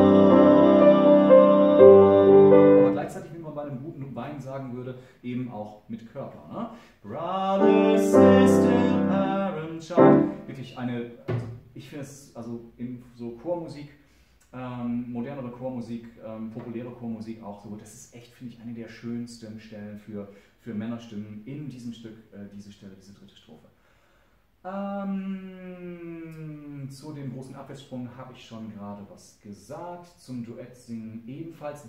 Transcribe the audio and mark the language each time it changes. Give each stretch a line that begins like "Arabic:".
German: Aber gleichzeitig, wie man bei einem guten Wein sagen würde, eben auch mit Körper. Ne?
English: Brother, sister, parent, child.
German: Wirklich eine, also ich finde es, also in so Chormusik, modernere Chormusik, populäre Chormusik auch so, das ist echt, finde ich, eine der schönsten Stellen für Männerstimmen in diesem Stück, diese Stelle, diese dritte Strophe. Zu dem großen Abwärtssprung habe ich schon gerade was gesagt, zum Duett singen ebenfalls.